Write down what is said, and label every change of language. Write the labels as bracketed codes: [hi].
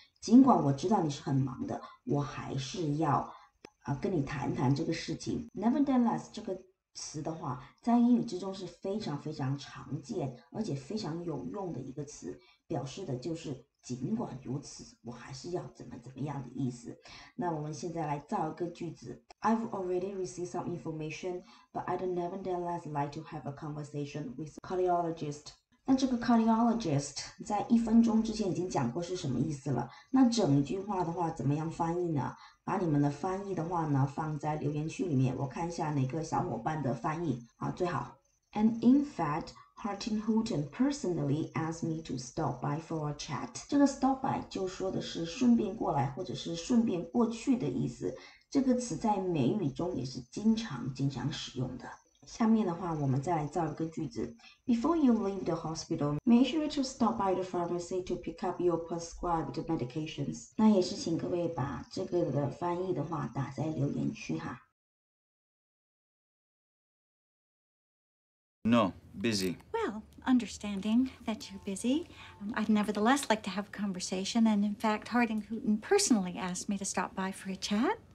[zh] 尽管我知道你是很忙的，我还是要跟你谈谈这个事情。 Nevertheless, 这个词的话在英语之中是非常非常常见而且非常有用的一个词，表示的就是尽管如此我还是要怎么怎么样的意思。那我们现在来造一个句子， [en] I've already received some information but I'd nevertheless like to have a conversation with a cardiologist。 [zh] 那这个 cardiologist 在一分钟之前已经讲过是什么意思了，那整句话的话怎么样翻译呢？把你们的翻译的话呢放在留言区里面，我看一下哪个小伙伴的翻译啊最好。 [en] And in fact, Harting Hooten personally asked me to stop by for a chat. [zh] 这个 stop by 就说的是顺便过来或者是顺便过去的意思。这个词在美语中也是经常使用的。下面的话我们再来造一个句子。 [en] Before you leave the hospital, make sure to stop by the pharmacy to pick up your prescribed medications. [zh] 那也是请各位把这个的翻译的话打在留言区哈。 [en] No, busy. Well, understanding that you're busy, I'd nevertheless like to have a conversation, and in fact, Harding Hooten personally asked me to stop by for a chat.